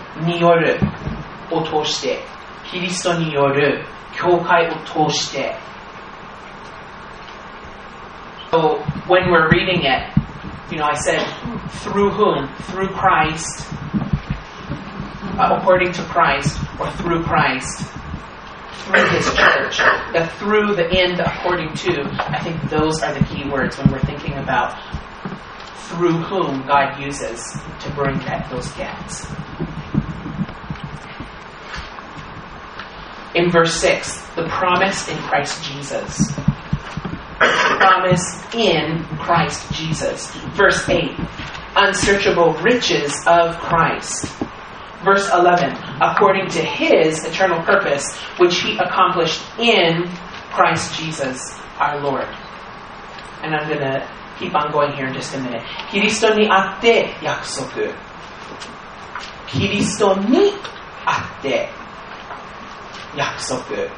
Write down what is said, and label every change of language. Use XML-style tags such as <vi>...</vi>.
<ja>による、を通して、キリストによる教会を通して。</ja> <en>So when we're reading it, you know, I said, through whom? Through Christ. According to Christ, or through Christ. Through His church. The through, the end, according to. I think those are the key words when we're thinking about through whom God uses to bring that, those gifts. In verse 6, the promise in Christ Jesus. Promise in Christ Jesus. Verse 8, unsearchable riches of Christ. Verse 11, according to His eternal purpose, which He accomplished in Christ Jesus, our Lord. And I'm going to keep on going here in just a minute.</en> <ja>キリストにあって約束。キリストにあって約束。</ja>